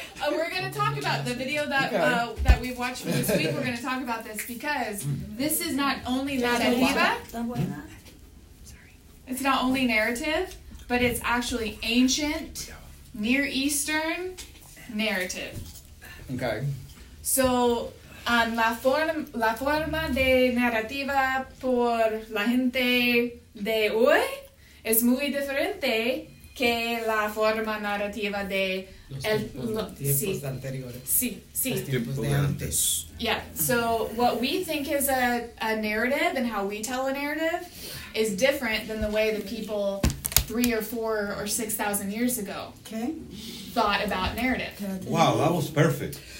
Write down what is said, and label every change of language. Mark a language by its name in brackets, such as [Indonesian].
[English] We're going to talk about the video that that we've watched for this week. We're going to talk about this because this is not only narrativa. It's not only narrative, but it's actually ancient Near Eastern narrative. Okay. [Spanish] So, la forma de narrativa por la gente de hoy es muy diferente que la forma narrativa de los tiempos anteriores. Sí, sí. Los tiempos de antes. [English] Yeah. So, what we think is a narrative and how we tell a narrative is different than the way the people 3 or 4 or 6,000 years ago thought about narrative. Wow, that was perfect.